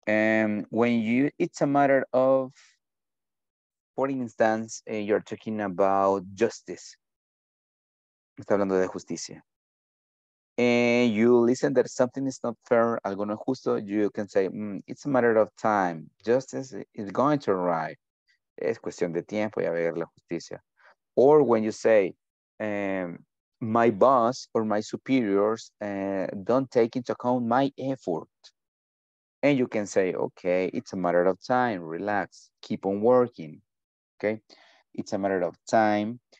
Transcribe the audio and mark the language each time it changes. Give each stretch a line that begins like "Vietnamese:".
English: It's a matter of, for instance, you're talking about justice.
Spanish: Está hablando de justicia.
English: You listen that something is not fair,
Spanish: algo no justo,
English: you can say, it's a matter of time. Justice is going to arrive.
Spanish: Es cuestión de tiempo y a ver la justicia.
English: Or when you say, my boss or my superiors don't take into account my effort. And you can say, okay, it's a matter of time. Relax. Keep on working. Okay? It's a matter of time.